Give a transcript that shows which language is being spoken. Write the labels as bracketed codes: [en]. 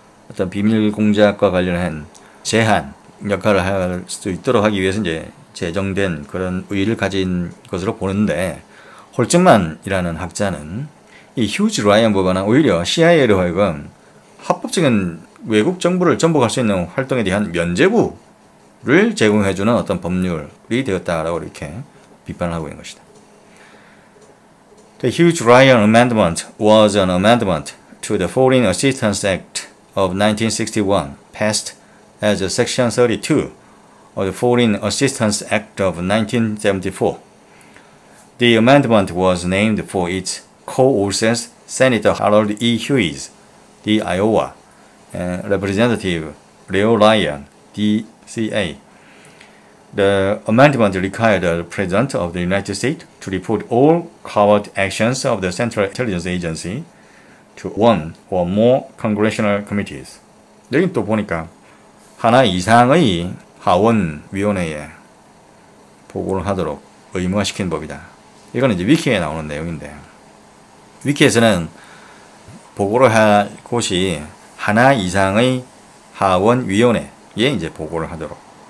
[ko] 어떤 비밀 공작과 관련한 제한 역할을 할 수 있도록 하기 위해서 이제 제정된 그런 의의를 가진 것으로 보는데, 홀츠만이라는 학자는 이 휴즈 라이언 법안은 오히려 CIA로 하여금 합법적인 외국 정부를 전복할 수 있는 활동에 대한 면제부를 제공해 주는 어떤 법률이 되었다라고 이렇게 비판을 하고 있는 것이다. [en] The Hughes Ryan Amendment was an amendment to the Foreign Assistance Act of 1961, passed as a Section 32 of the Foreign Assistance Act of 1974. The amendment was named for its co-authors, Senator Harold E. Hughes, D. Iowa, and Representative Leo Ryan, D.C.A. The amendment required the President of the United States to report all covert actions of the Central Intelligence Agency to one or more congressional committees. [ko] 여기 또 보니까 하나 이상의 하원 위원회에 보고를 하도록 의무화시킨 법이다. 이거는 이제 위키에 나오는 내용인데, 위키에서는 보고를 할 곳이 하나 이상의 하원 위원회에 이제 보고를 하도록.